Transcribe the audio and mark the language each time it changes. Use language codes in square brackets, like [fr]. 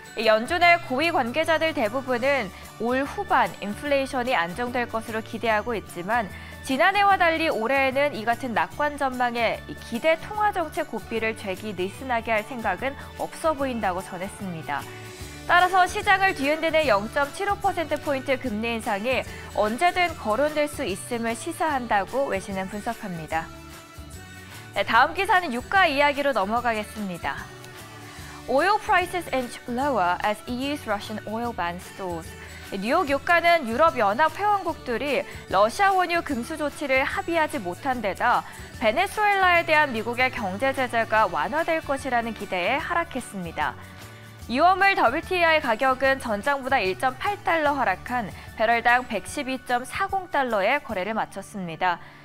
[ko] 연준의 고위 관계자들 대부분은 올 후반 인플레이션이 안정될 것으로 기대하고 있지만 지난해와 달리 올해에는 이 같은 낙관 전망에 기대 통화 정책 고삐를 죄기 느슨하게 할 생각은 없어 보인다고 전했습니다. 따라서 시장을 뒤흔드는 0.75%포인트 금리 인상이 언제든 거론될 수 있음을 시사한다고 외신은 분석합니다. 네, 다음 기사는 유가 이야기로 넘어가겠습니다. [en] Oil prices inch lower as EU's Russian oil ban stalls. [ko] 뉴욕 유가는 유럽연합 회원국들이 러시아 원유 금수 조치를 합의하지 못한 데다 베네수엘라에 대한 미국의 경제 제재가 완화될 것이라는 기대에 하락했습니다. 유월 WTI 가격은 전장보다 $1.8 하락한 배럴당 112.40달러에 거래를 마쳤습니다.